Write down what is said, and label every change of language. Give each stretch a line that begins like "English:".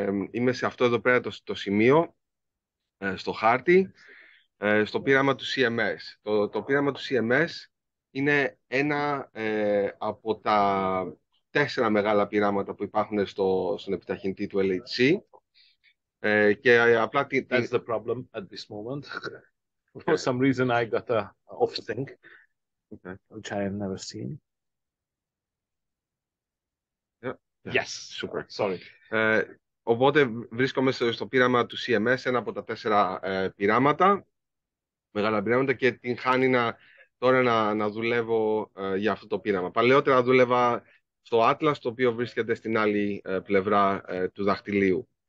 Greek: Είμαι σε αυτό εδώ πέρα το σημείο, στο χάρτη, στο Πείραμα του CMS. Το Πείραμα του CMS είναι ένα από τα τέσσερα μεγάλα πείραματα που υπάρχουν στον επιταχυντή του LHC.
English: That's the problem at this moment. For some reason, I got a off sync, which I have never seen. Yes, sorry.
Greek: Οπότε βρίσκομαι στο πείραμα του CMS, ένα από τα τέσσερα πείραματα, μεγάλα πείραματα, και την χάνει τώρα να δουλεύω για αυτό το πείραμα. Παλαιότερα δούλευα στο Atlas, το οποίο βρίσκεται στην άλλη πλευρά του δαχτυλίου.